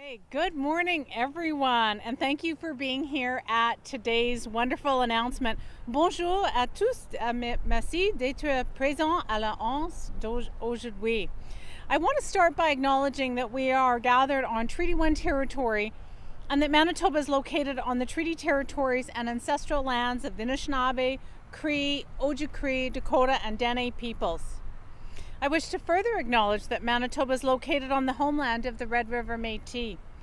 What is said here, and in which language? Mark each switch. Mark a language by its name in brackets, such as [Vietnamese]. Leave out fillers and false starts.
[English] Good morning, everyone, and thank you for being here at today's wonderful announcement. [French] Bonjour à tous, merci d'être présent à la séance d'aujourd'hui. [English] I want to start by acknowledging that we are gathered on Treaty 1 territory and that Manitoba is located on the treaty territories and ancestral lands of the Anishinaabe, Cree, Ojibwe, Dakota, and Dene peoples. I wish to further acknowledge that Manitoba is located on the homeland of the Red River Métis.